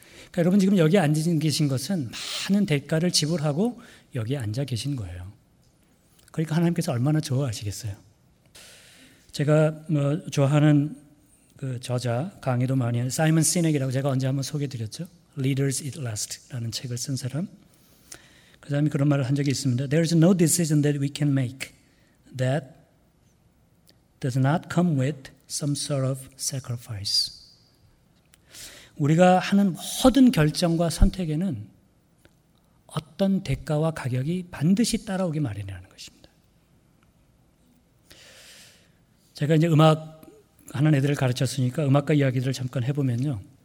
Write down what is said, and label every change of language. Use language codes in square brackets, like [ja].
[ko] 그러니까 여러분 지금 여기 앉으신 계신 것은 많은 대가를 지불하고 여기 앉아 계신 거예요. 그러니까 하나님께서 얼마나 좋아하시겠어요. 제가 뭐 좋아하는 그 저자 강의도 많이 하는 사이먼 시넥이라고 제가 언제 한번 소개해드렸죠. Leaders Eat Last라는 책을 쓴 사람. 그 사람이 그런 말을 한 적이 있습니다. [en] There is no decision that we can make that does not come with some sort of sacrifice. [ko] 우리가 하는 모든 결정과 선택에는 어떤 대가와 가격이 반드시 따라오기 마련이라는 것입니다. 제가 이제 음악하는 애들을 가르쳤으니까 음악과 이야기들을 잠깐 해보면요.